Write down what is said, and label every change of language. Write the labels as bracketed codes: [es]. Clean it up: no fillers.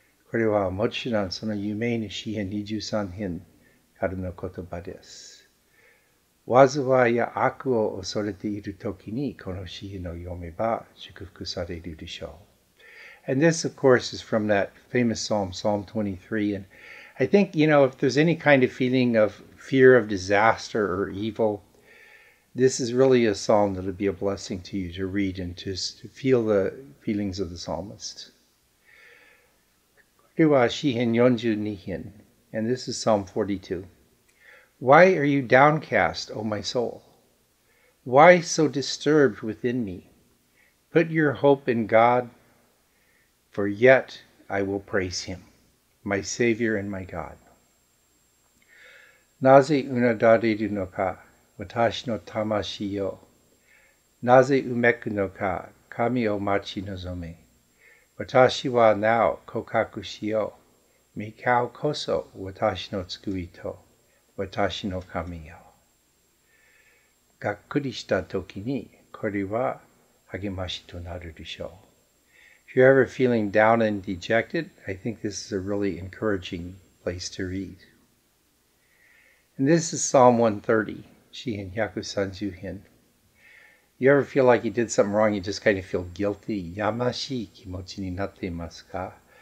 [ja] これはもちろんその有名な詩編23編からの言葉です。災いや悪を恐れているときにこの詩編を読めば祝福されるでしょう。 [en] And this, of course, is from that famous psalm, Psalm 23. And I think, you know, if there's any kind of feeling of fear of disaster or evil, this is really a psalm that would be a blessing to you to read and just to feel the feelings of the psalmist. [ja] では詩編42編 [en] and this is Psalm 42. Why are you downcast, O my soul? Why so disturbed within me? Put your hope in God, for yet I will praise Him, my Savior and my God. [ja] なぜうなだれるのか、私の魂よ。なぜうめくのか、神を待ち望め。私はなお告白しよう。御顔こそ私の救いと私の神よ。がっくりしたときにこれは励ましとなるでしょう。 [en] If you're ever feeling down and dejected, I think this is a really encouraging place to read. And this is Psalm 130, [ja] 詩編130編。 [en] You ever feel like you did something wrong, you just kind of feel guilty? [ja] Yamashi kimochi ni natte imasu ka?